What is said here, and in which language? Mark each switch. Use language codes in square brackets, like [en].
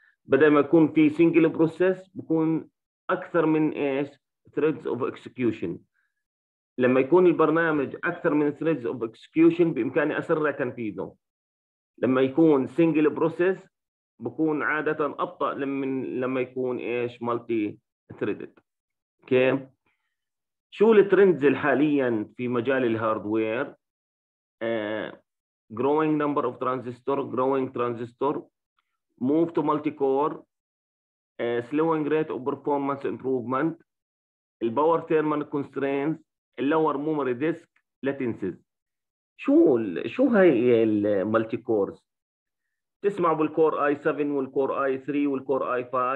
[ar] بدل ما يكون في سنجل بروسيس بيكون اكثر من ايش؟ ثريدز اوف اكسكيوشن. لما يكون البرنامج اكثر من ثريدز اوف اكسكيوشن بامكاني اسرع تنفيذه. لما يكون سنجل بروسيس بيكون عاده ابطا من لما يكون ايش؟ مالتي ثريدد. اوكي، شو الترندز حاليا في مجال الهاردوير؟ [en] growing number of transistor, growing transistor, move to multi-core, slowing rate of performance improvement, power thermal constraints, lower memory disk latencies. [ar] شو هاي المالتي كورز؟ تسمع بالكور اي 7 والكور اي 3 والكور اي 5؟